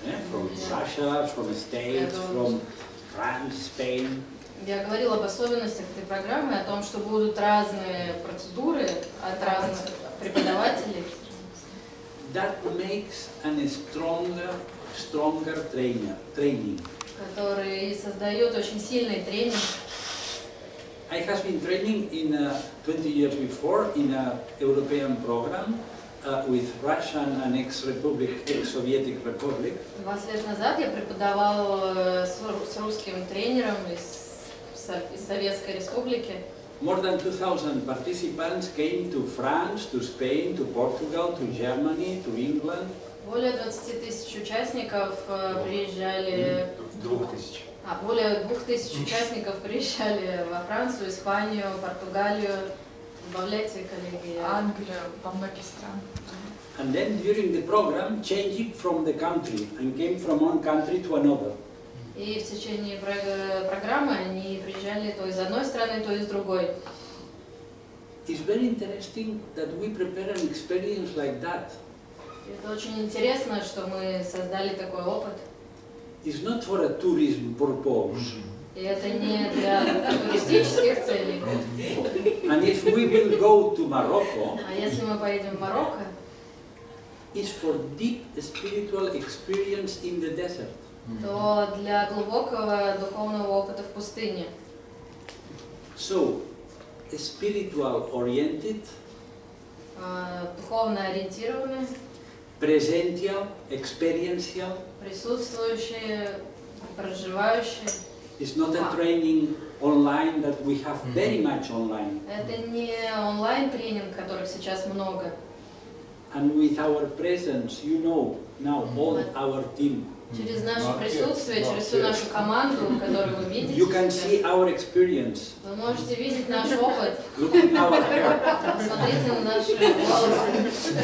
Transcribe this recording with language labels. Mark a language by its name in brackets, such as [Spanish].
[English] From Russia, from the States, from France, Spain. [Russian] я говорила об особенностях этой программы, о том, что будут разные процедуры от разных преподавателей. [English] That makes a stronger training. [Russian] Который создает очень сильный тренинг. [English] I have been training in 20 years before in a European program with Russian and ex-Soviet Republic. [Russian] 20 лет назад я преподавал с русским тренером из Советской Республики. [English] More than 2,000 participants came to France, to Spain, to Portugal, to Germany, to England. [Russian] Более 20 тысяч участников приезжали. [English] 2,000. [Russian] А более 2,000 участников приезжали во Францию, Испанию, Португалию. Добавляйте, коллеги. Англия, во многих странах. [English] And then during the program, changing from the country and came from one country to another. [Russian] И в течение программы они приезжали то из одной страны, то из другой. [English] It's very interesting that we prepare an experience like that. [Russian] Это очень интересно, что мы создали такой опыт. [English] It's not for a tourism purpose. [Russian] И это не для туристических целей. [English] And if we will go to Morocco, [Russian] а если мы поедем в Марокко, [English] it's for deep spiritual experience in the desert. [Russian] То для глубокого духовного опыта в пустыне. [English] So, spiritual oriented, [Russian] духовно ориентированный. [Spanish] Presentia, experiencia, [Russian] присутствующие, проживающие. [English] It's not a training online that we have very much online. [Russian] Это не онлайн тренинг, которых сейчас много. [English] And with our presence, you know, now all our team. [Russian] Через наше присутствие, через всю нашу команду, которую вы видите. [English] You can see our experience. [Russian] Вы можете видеть наш опыт. [English] Look at our hair. [Russian] Смотрите на наши волосы.